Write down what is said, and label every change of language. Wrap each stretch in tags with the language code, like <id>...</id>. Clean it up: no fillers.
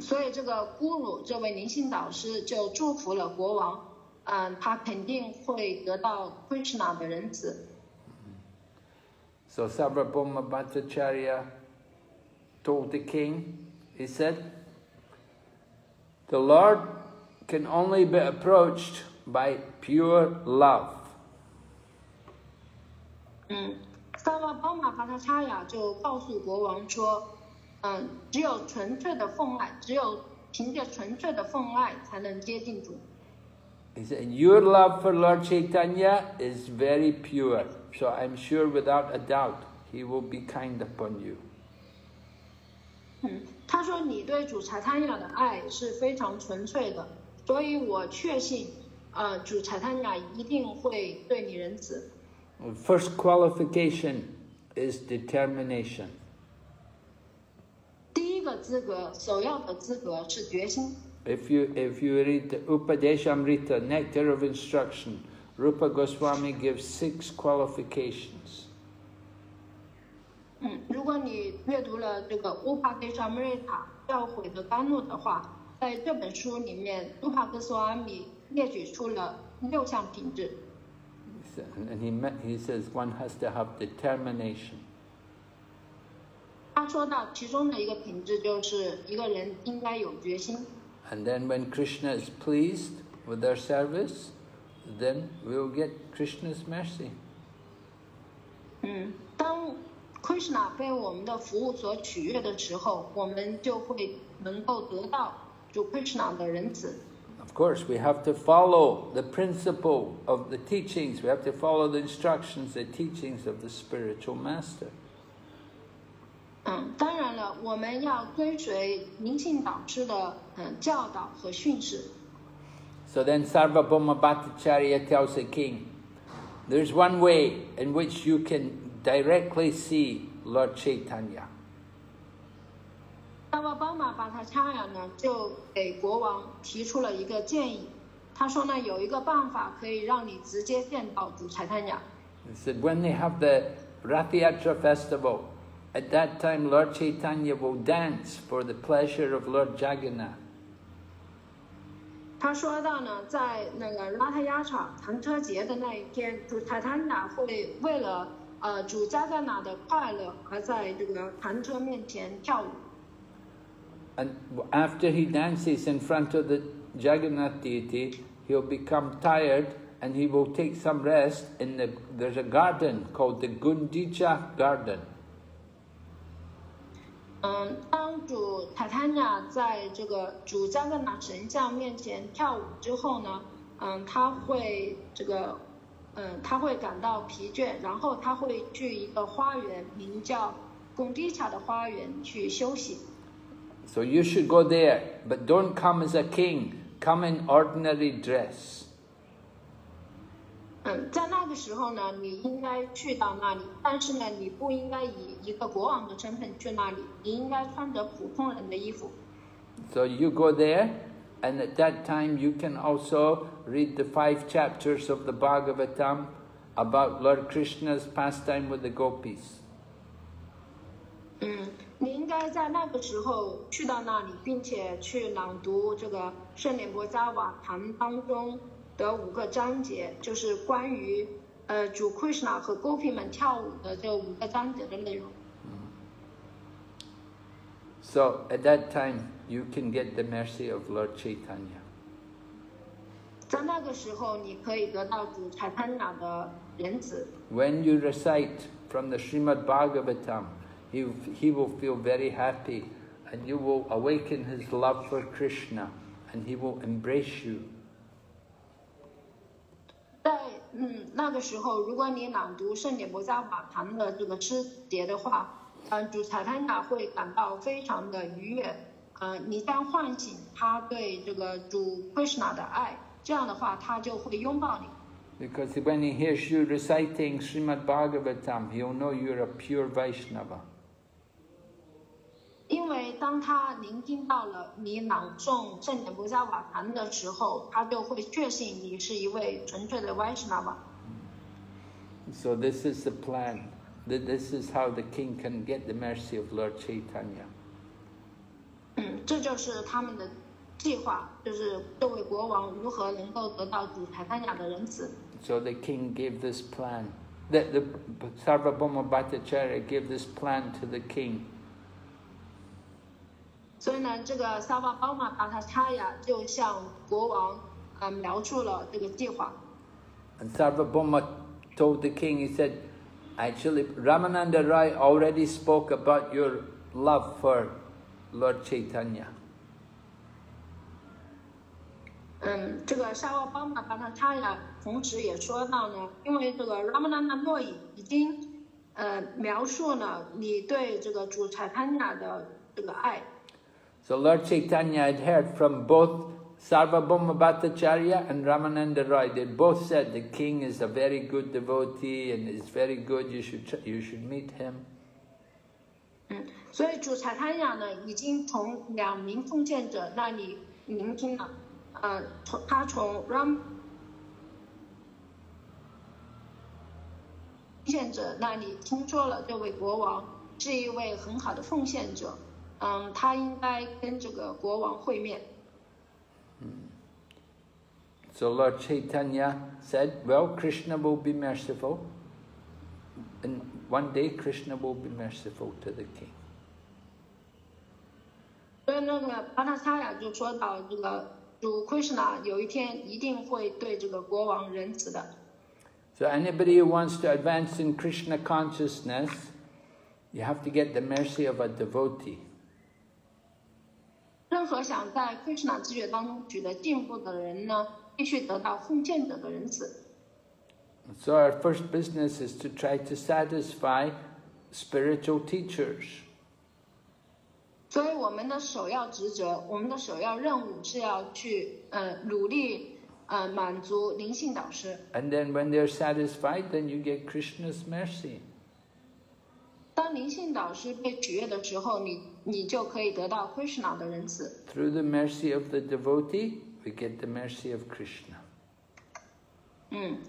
<zh>所以这个 guru, 这位灵性导师就祝福了国王，他肯定会得到 Krishna 的仁慈。</zh> <en>So Sarvabhauma Bhattacharya told the king, he said, the Lord can only be approached by pure love.</en> <zh>萨瓦邦马巴塔查亚就告诉国王说，只有纯粹的奉爱，只有凭借纯粹的奉爱才能接近主。</zh> <en>He said, your love for Lord Chaitanya is very pure, so I'm sure without a doubt he will be kind upon you.</en> <zh>他说你对主柴坦雅的爱是非常纯粹的，所以我确信，主柴坦雅一定会对你仁慈。</zh> <en>First qualification is determination.</en> <zh>第一个资格，首要的资格是决心。</zh> <en>If you read the Upadeshamrita, Nectar of Instruction, Rupa Goswami gives 6 qualifications.</en> <zh>如果你阅读了这个 Upadeshamrita, 教诲的甘露的话，在这本书里面 ，Rupa Goswami 列举出了六项品质。</zh> <en>And he says one has to have determination.</en> <zh>他说到其中的一个品质就是一个人应该有决心。</zh> <en>And then when Krishna is pleased with our service, then we will get Krishna's mercy.</en> <zh>当 Krishna 被我们的服务所取悦的时候，我们就会能够得到主 Krishna 的仁慈。</zh> <en>Of course, we have to follow the principle of the teachings. We have to follow the instructions, the teachings of the spiritual master.</en> <zh>当然了，我们要追随灵性导师的教导和训示。</zh> <en>So then Sarvabhauma Bhattacharya tells the king, there's one way in which you can directly see Lord Chaitanya.</en> <zh>Sarvabhauma Bhattacharya 呢就给国王提出了一个建议，他说呢有一个办法可以让你直接见到主柴坦雅。</zh> <en>He said, when they have the Rathyatra festival,At that time, Lord Chaitanya will dance for the pleasure of Lord Jagannath.</en> <zh>他说到呢，在那个拉他亚场乘车节的那一天，主柴坦雅会为了主迦赞那的快乐而在这个乘车面前跳舞。</zh> <en>And after he dances in front of the Jagannath deity, he'll become tired and he will take some rest in the. There's a garden called the Gundicha Garden.</en> <zh>当主塔坦雅在这个主迦赞那神像面前跳舞之后呢，他会感到疲倦，然后他会去一个花园，名叫贡迪卡的花园去休息。</zh> <en>So you should go there, but don't come as a king. Come in ordinary dress.</en> <zh>在那个时候呢，你应该去到那里，但是呢，你不应该以一个国王的身份去那里，你应该穿着普通人的衣服。</zh> <en>So you go there, and at that time you can also read the 5 chapters of the Bhagavatam about Lord Krishna's pastime with the gopis.</en> <zh>你应该在那个时候去到那里，并且去朗读这个《圣莲婆迦瓦谈》当中。的五个章节就是关于主 Krishna 和 Gopi 们跳舞的这五个章节的内容。</zh> <en>So at that time you can get the mercy of Lord Chaitanya.</en> <zh>在那个时候你可以得到主柴坦雅的仁慈。</zh> <en>When you recite from the Srimad Bhagavatam, he will feel very happy and you will awaken his love for Krishna and he will embrace you.</en> <zh>在那个时候，如果你朗读《圣莲婆迦瓦谈》的这个诗节的话，主柴坦雅会感到非常的愉悦，你将唤醒他对这个主 Krishna 的爱，这样的话他就会拥抱你。</zh> <en>Because when he hears you reciting Srimad Bhagavatam, he'll know you're a pure Vaishnava.</en> <zh>因为当他聆听到了你朗诵《圣莲婆迦瓦谈》的时候，他就会确信你是一位纯粹的 Vaishnava。</zh> <en>So this is the plan. This is how the king can get the mercy of Lord Chaitanya.</en> <zh>这就是他们的计划，就是这位国王如何能够得到主柴坦雅的仁慈。</zh> <en>So the king gave this plan. The Sarvabhauma Bhattacharya gave this plan to the king.</en> <zh>所以呢，这个萨瓦邦马达塔查亚就向国王，描述了这个计划。</zh> <en>And Sarvabhauma told the king, he said, Actually, Ramananda Rai already spoke about your love for Lord Chaitanya.</en> <zh>这个沙沃邦玛巴那他呀，同时也说到呢，因为这个 Ramananda 诺伊已经描述了你对这个主查坦雅的这个爱。</zh> <en>So Lord Chaitanya had heard from both Sarvabhauma Bhattacharya and Ramananda Rai. They both said the king is a very good devotee and is very good. You should meet him.</en> <zh>所以主查坦雅呢，已经从两名奉献者那里聆听了，他从 Ram 奉献者那里听说了这位国王是一位很好的奉献者。他应该跟这个国王会面。</zh> <en>So Lord Chaitanya said, well, Krishna will be merciful. And one day Krishna will be merciful to the king.</en> <zh>所以那个巴纳萨亚就说到这个主 Krishna 有一天一定会对这个国王仁慈的。</zh> <en>So anybody who wants to advance in Krishna consciousness, you have to get the mercy of a devotee.</en> <zh>任何想在 Krishna 知觉当中取得进步的人呢，必须得到奉献者的仁慈。</zh> <en>So our first business is to try to satisfy spiritual teachers.</en> <zh>所以我们的首要职责，我们的首要任务是要去努力满足灵性导师。</zh> <en>And then when they're satisfied, then you get Krishna's mercy.</en> <zh>当灵性导师被取悦的时候，你就可以得到 Krishna 的仁慈。</zh> <en>Through the mercy of the devotee, we get the mercy of Krishna.</en>